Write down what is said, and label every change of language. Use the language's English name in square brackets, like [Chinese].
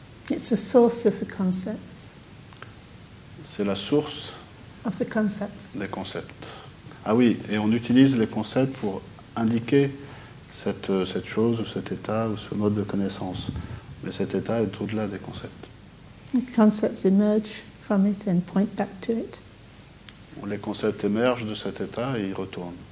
[English] It's the source of the concepts. [French] C'est la source [English] of the concepts. [French] Des concepts. Ah oui, et on utilise les concepts pour indiquer cette chose ou cet état ou ce mode de connaissance. Mais cet état est au-delà des concepts. [English] The concepts emerge from it and point back to it. [French] Les concepts émergent de cet état et y retournent.